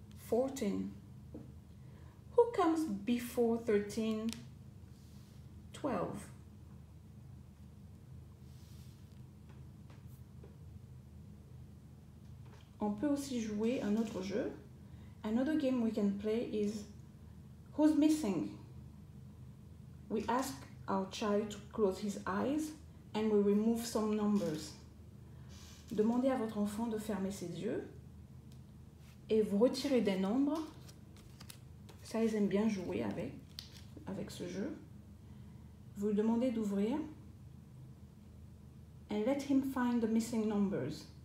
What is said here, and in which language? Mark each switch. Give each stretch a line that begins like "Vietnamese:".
English: 14. Who comes before 13? 12.
French: On peut aussi jouer un autre jeu.
English: Another game we can play is Who's Missing? We ask our child to close his eyes and we remove some numbers.
French: Demandez à votre enfant de fermer ses yeux et vous retirez des nombres. Ça, ils aiment bien jouer avec ce jeu. Vous lui demandez d'ouvrir
English: and let him find the missing numbers.